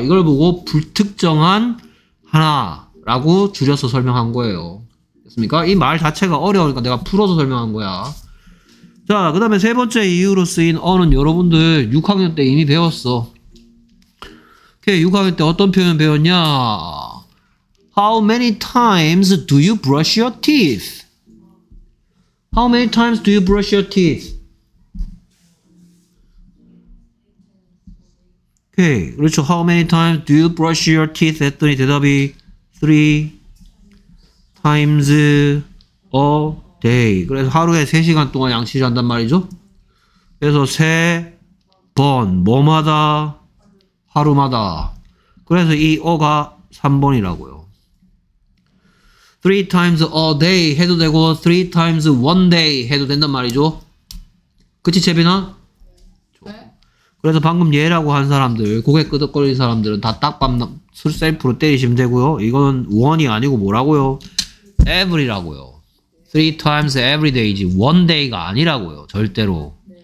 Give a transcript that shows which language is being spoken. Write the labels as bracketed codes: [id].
[ko] 이걸 보고 불특정한 하나 라고 줄여서 설명한 거예요. 됐습니까? 이 말 자체가 어려우니까 내가 풀어서 설명한 거야. 자, 그 다음에 세 번째 이유로 쓰인 어는 여러분들 6학년 때 이미 배웠어. 오케이, 6학년 때 어떤 표현 배웠냐? [en] How many times do you brush your teeth? How many times do you brush your teeth? [ko] 오케이, 그렇죠. [en] How many times do you brush your teeth? [ko] 했더니 대답이 [en] 3 times a day. [ko] 그래서 하루에 3시간 동안 양치질 한단 말이죠. 그래서 3번 뭐마다 하루마다. 그래서 이 어가 3번이라고요. [en] 3 times a day [ko] 해도 되고 [en] 3 times one day [ko] 해도 된단 말이죠. 그치 재빈아? 그래서 방금 예라고 한 사람들, 고개 끄덕거리는 사람들은 다 딱밤 술 셀프로 때리시면 되고요. 이건 원이 아니고 뭐라고요? Every라고요. [en] Three times every day지. One day가 [ko] 아니라고요. 절대로.